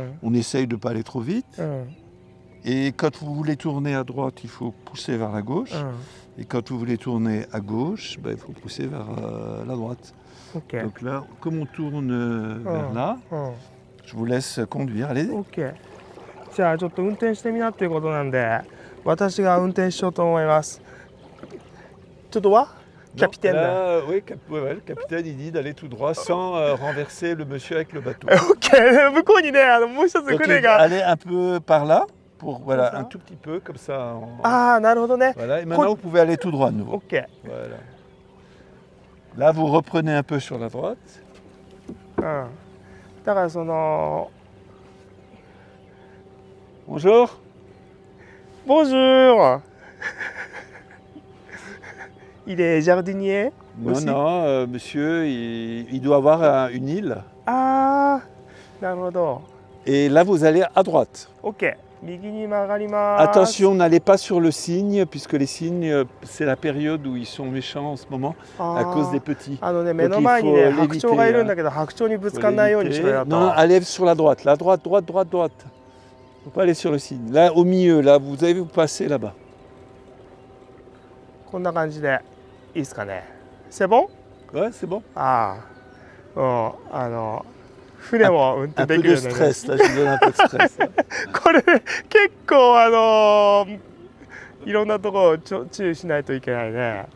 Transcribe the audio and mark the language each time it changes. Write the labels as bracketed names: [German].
[French] On essaye de ne pas aller trop vite. Et quand vous voulez tourner à droite, il faut pousser vers la gauche. Et quand vous voulez tourner à gauche, ben, il faut pousser vers la droite. Okay. Donc là, comme on tourne vers là, je vous laisse conduire. Allez. Ok. [Japanese] じゃあちょっと運転してみなっていうことなんで、私が運転しようと思います。 [French] Tout droit, capitaine. Non, là, oui, le capitaine il dit d'aller tout droit sans renverser le monsieur avec le bateau. Ok. [Japanese] 向こうにね、あのもう一つ船が。 [French] Allez un peu par là. Pour, voilà, un tout petit peu, comme ça. On... [Japanese] Ah, なるほどね. [French] Voilà, et maintenant, vous pouvez aller tout droit de nouveau. Ok. Voilà. Là, vous reprenez un peu sur la droite. [Japanese] だからその、 [French] Bonjour. Bonjour. Il est jardinier Non, aussi? Non, monsieur, il doit avoir une île. Ah, d'accord. Et là, vous allez à droite. [Japanese] Ok. 右に曲がります [French] Attention, n'allez pas sur le cygne, puisque les cygnes, c'est la période où ils sont méchants en ce moment, à cause des petits. [Japanese] あのね、目の前にね、白鳥がいるんだけど、白鳥にぶつかんないようにしろよと。 [French] Non, allez sur la droite, la droite, droite, droite, droite. Faut pas aller sur le cygne. Là, au milieu, là, vous avez vu, vous passez là-bas. [Japanese] こんな感じでいいですかね。 [French] C'est bon? Ouais, c'est bon. [Japanese] Ah, bon, あの船を運転できるよね。これ結構いろんなところを注意しないといけないね。